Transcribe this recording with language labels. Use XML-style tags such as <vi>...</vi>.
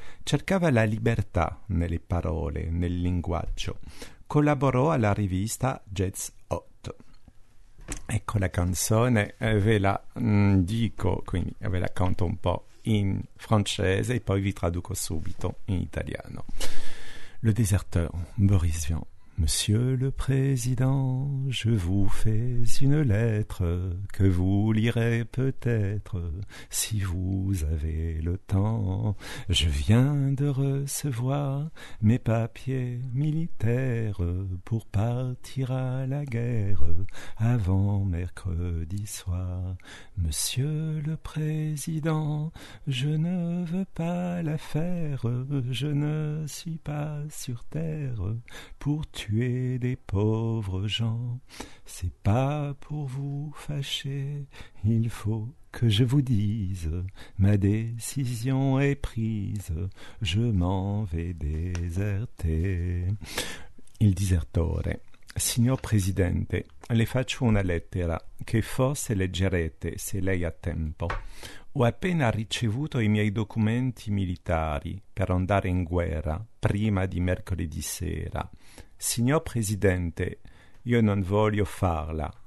<it>Cercava la libertà nelle parole, nel linguaggio. Collaborò alla rivista Jazz Hot. Ecco la canzone, ve la dico, quindi ve la canto un po' in francese e poi vi traduco subito in italiano.</it> <fr>Le déserteur, Boris Vian. Monsieur le président, je vous fais une lettre que vous lirez peut-être si vous avez le temps. Je viens de recevoir mes papiers militaires pour partir à la guerre avant mercredi soir. Monsieur le président, je ne veux pas la faire, je ne suis pas sur terre pour tuer des pauvres gens. C'est pas pour vous fâcher, il faut que je vous dise, ma décision est prise, je m'en vais déserter.</fr> <it>Il disertore. Signor Presidente, le faccio una lettera che forse leggerete se lei ha tempo. Ho appena ricevuto i miei documenti militari per andare in guerra prima di mercoledì sera. Signor Presidente, io non voglio farla.</it>